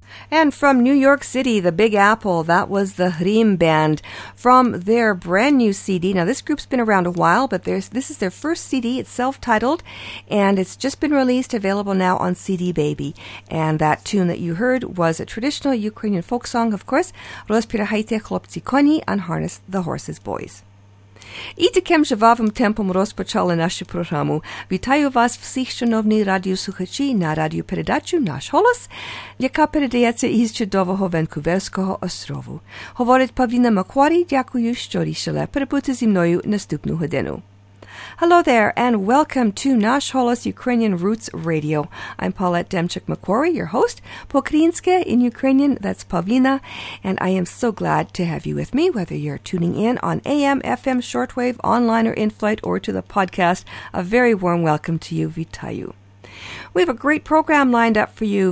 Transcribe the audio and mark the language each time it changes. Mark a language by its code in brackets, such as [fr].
[en] And from New York City, the Big Apple, that was the Hrim Band from their brand new CD. Now, this group's been around a while, but this is their first CD. It's self-titled, and it's just been released, available now on CD Baby. And that tune that you heard was a traditional Ukrainian folk song, of course, Rozpirahajte Chlopci Koni, Unharness the Horses, Boys. [uk] І таким живавим темпом розпочали нашу програму. Вітаю вас всіх, шановні радіослухачі, на радіопередачу «Наш голос», яка передається із чудового Ванкуверського острову. Говорить Павліна Макварі, дякую, що рішили перебути зі мною наступну годину. [en] Hello there, and welcome to Nash Holos Ukrainian Roots Radio. I'm Paulette Demchuk-McQuarrie, your host, [uk] по-українське [en] in Ukrainian, that's Pavlina, and I am so glad to have you with me, whether you're tuning in on AM, FM, shortwave, online or in-flight, or to the podcast. A very warm welcome to you, Vitayu. We have a great program lined up for you.